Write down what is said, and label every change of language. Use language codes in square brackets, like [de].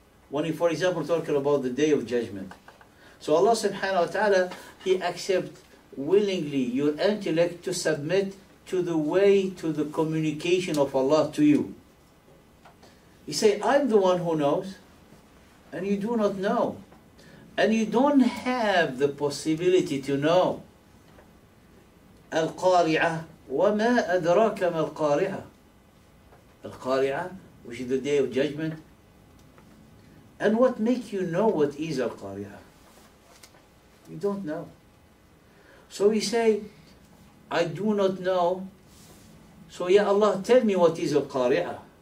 [en] When He, for example, talking about the Day of Judgment. So Allah subhanahu wa ta'ala, He accepts willingly your intellect to submit to the way, to the communication of Allah to you. He say, I'm the one who knows, and you do not know. And you don't have the possibility to know. [ar] Al-Qari'ah, وَمَا أَدْرَاكَ مَا الْقَارِعَةِ. [en] Al-Qari'ah, which is the Day of Judgment. And what makes you know what is Al-Qari'ah? You don't know. So we say, I do not know. So Ya Allah, tell me what is Al-Qari'ah.